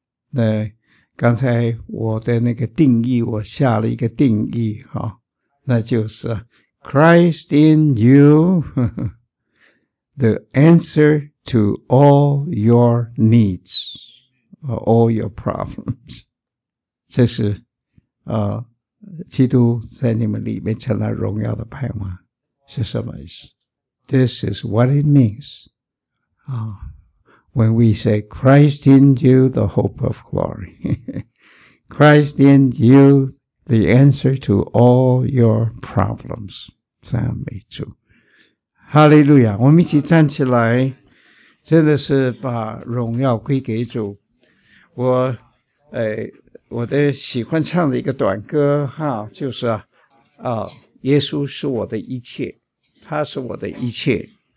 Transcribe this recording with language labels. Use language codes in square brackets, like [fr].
[zh] 那刚才我的那个定义，我下了一个定义、哦、那就是 [en] Christ in you, the answer to all your needs, all your problems. [zh] 这是、基督在你们里面成了荣耀的盼望，是什么意思？ [en] This is what it means、when we say Christ in you, the hope of glory. Christ in you, the answer to all your problems. [zh] 赞美主，哈利路亚！我们一起站起来，真的是把荣耀归给主。我的喜欢唱的一个短歌哈，就是啊，耶稣是我的一切，他是我的一切。